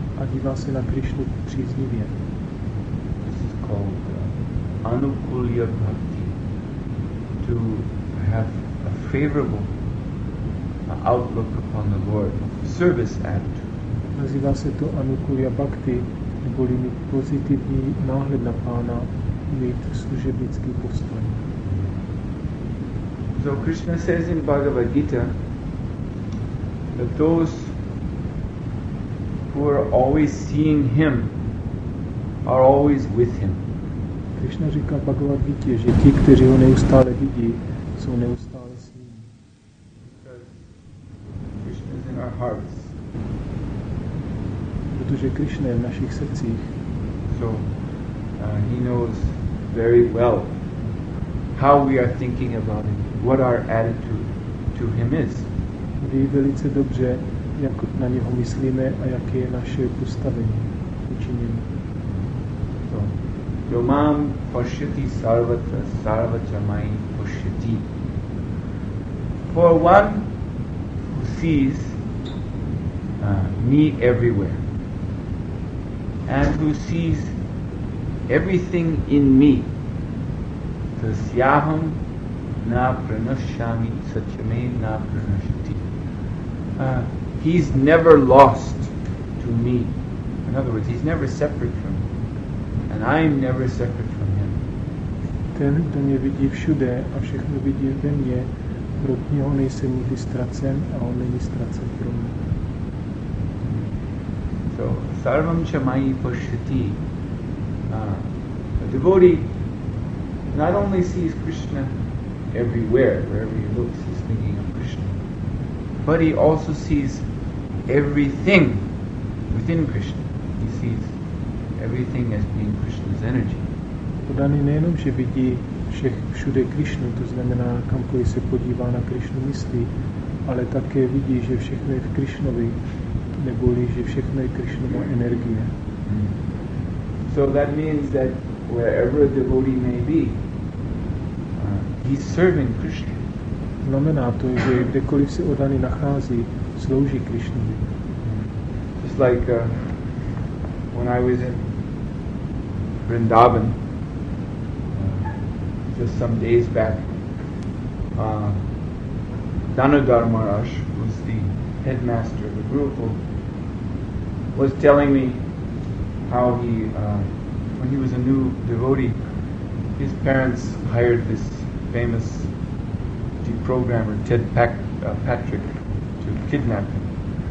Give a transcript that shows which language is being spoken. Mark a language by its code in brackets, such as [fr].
[cs] A dívá se na Krishnu příznivě. [en] This is called anukulya bhakti. To have a favorable outlook upon the Lord. Service attitude. [cs] Nazývá se to anukulya bhakti, neboli mít pozitivní náhled na Pána. Mít služebnický postoj. [en] So Krishna says in Bhagavad Gita that those who are always seeing him are always with him. [cs] Krishna říká v Bhagavad Gita, že ti, kteří ho neustále vidí, jsou neustále s ním. [en] Because Krishna is in our hearts. [cs] Protože Krishna je v našich srdcích. [en] So he knows very well how we are thinking about him, what our attitude to him is. [cs] Ví velice dobře, jak na něho myslíme a jaké je naše postavení učiněno. [en] So, [sa] yo mam pashyati sarvatra sarvachamai pashyati. [en] For one who sees meet everywhere, and who sees everything in me, [sa] tasyaham na pranashyami satyame na pranashyati. [en] He's never lost to me. In other words, he's never separate from me, and I'm never separate from him. [cs] Ten, kdo mě vidí všude a všechno vidí ve mně, pro něho nejsem nikdy ztracen a on není ztracen pro mě. [en] So, [sa] sarvam cha mayi pashyati. [en] A devotee not only sees Krishna everywhere, wherever he looks, he's thinking of Krishna, but he also sees everything within Krishna. He sees everything as being Krishna's energy. [cs] Podaný nejenom, že vidí všude Krishnu, to znamená, kamkoliv se podívá na Krishnu myslí, ale také vidí, že všechno je v Krishnovi, neboli, že všechno je Krishnova energie. [en] So that means that wherever a devotee may be, he's serving Krishna. [cs] Znamená to, že kdekoliv se oddaný nachází, slouží Krishnovi. [en] Just like when I was in Vrindavan, just some days back, Danadhar Maharaj, was the headmaster of the Gurukul, was telling me how he, when he was a new devotee, his parents hired this famous deprogrammer, Ted Patrick, to kidnap him.